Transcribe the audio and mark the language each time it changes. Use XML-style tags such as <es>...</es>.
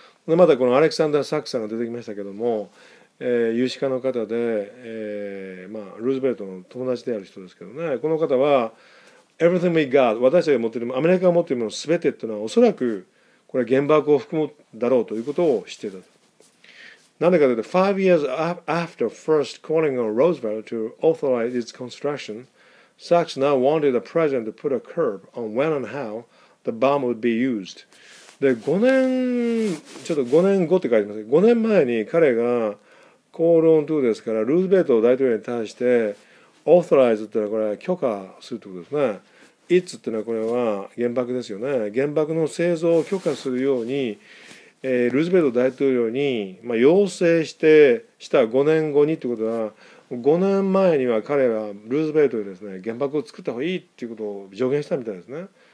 <ja>で、またこのアレクサンダー・サックさんが出てきましたけども、有志家の方で、まあ、ルーズベルトの友達である人ですけどね、この方は、 Everything we got、私たちが持っているもの、アメリカが持っているもの全てというのは、おそらくこれは原爆を含むだろうということを知っていた。</ja> <en>なんでかというと、 5 years after first calling on Roosevelt to authorize its construction, Sachs now wanted the president to put a curb on when and how the bomb would be used.</en> <ja>で、5年、ちょっと5年後って書いてます。5年前に彼が call on to ですから、ルーズベルト大統領に対して authorize ってのはこれ許可するってことですね。 its ってのはこれは原爆ですよね。原爆の製造を許可するようにルーズベルト大統領に、まあ、要請してした5年後にということは、5年前には彼はルーズベルトにですね、原爆を作った方がいいということを助言したみたいですね。</ja>